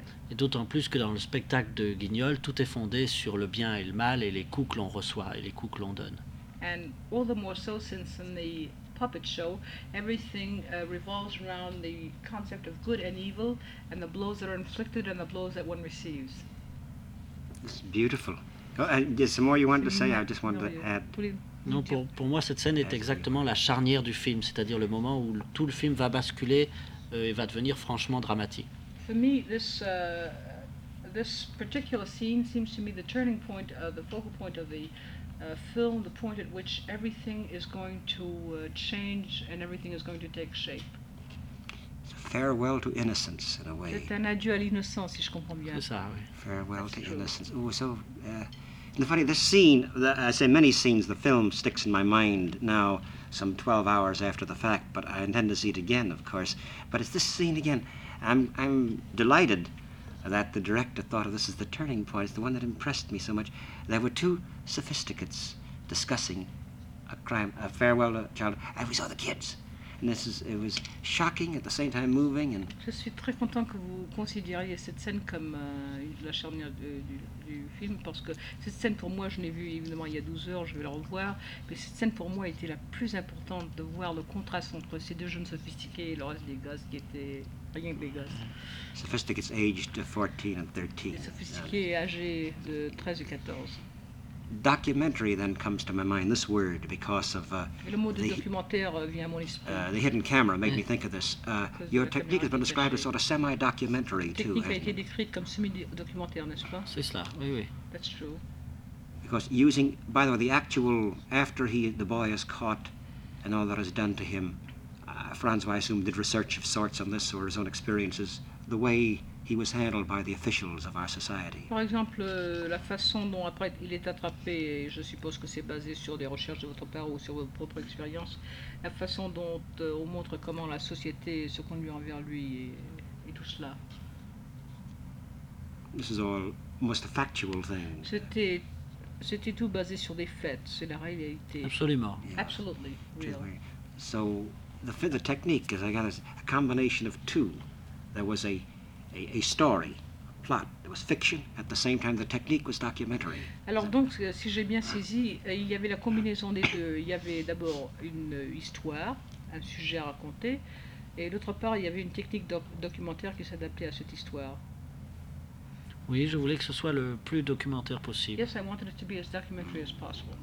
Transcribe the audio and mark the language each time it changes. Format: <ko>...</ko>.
<fr>Et d'autant plus que dans le spectacle de Guignol, tout est fondé sur le bien et le mal et les coups que l'on reçoit et les coups que l'on donne.</fr> <en>And all the more so since in the puppet show, everything revolves around the concept of good and evil and the blows that are inflicted and the blows that one receives. It's beautiful. Oh, and there's some more you wanted to say, I just wanted to add.</en> <fr>Non, pour moi, cette scène est exactement la charnière du film, c'est-à-dire le moment où tout le film va basculer et va devenir franchement dramatique.</fr> <en>For me, this particular scene seems to me the turning point, the focal point of the film, the point at which everything is going to change and everything is going to take shape. It's a farewell to innocence, in a way.</en> <fr>C'est un adieu à l'innocence, si je comprends bien. C'est ça, oui.</fr> <en>Farewell to innocence. Oh, so the funny, this scene, many scenes, the film sticks in my mind now, some 12 hours after the fact, but I intend to see it again, of course. But it's this scene again. I'm delighted that the director thought of this as the turning point. It's the one that impressed me so much. There were two sophisticates discussing a crime, a farewell to child, and we saw the kids. And it was shocking at the same time moving. And</en> <fr>je suis très content que vous considériez cette scène comme la charnière du film parce que cette scène pour moi, je l'ai vue évidemment il y a 12 heures, je vais la revoir. Mais cette scène pour moi était la plus importante de voir le contraste entre ces deux jeunes sophistiqués et le reste des gosses qui étaient rien que des gosses.</fr> <en>Sophisticates aged 14 and 13.</en> <fr>Sophistiqués âgés de 13 et 14.</fr> <en>documentary then comes to my mind, this word, because of the hidden camera made me think of this. Your technique has been described as sort of semi-documentary, too.</en> <fr>C'est cela, oui, oui.</fr> <en>That's true. Because using, by the way, the actual, after the boy is caught and all that is done to him, Francois, I assume, did research of sorts on this or his own experiences, the way he was handled by the officials of our society.</en> <fr>Par exemple, la façon dont après il est attrapé, et je suppose que c'est basé sur des recherches de votre père ou sur vos propres expériences, la façon dont on montre comment la société se conduit envers lui et tout cela.</fr> <en>This is all most factual thing.</en> <fr>C'était tout basé sur des faits, c'est la réalité. Absolument.</fr> <en>Yeah. Absolutely. So the technique is, I guess, a combination of two. There was a story, a plot. It was fiction. At the same time, the technique was documentary.</en> <fr>Alors donc, si j'ai bien saisi, il y avait la combinaison des deux. Il y avait d'abord une histoire, un sujet à raconter, et d'autre part, il y avait une technique documentaire qui s'adaptait à cette histoire. Oui, je voulais que ce soit le plus documentaire possible.</fr> <en>Yes, I wanted it to be as documentary as possible.</en>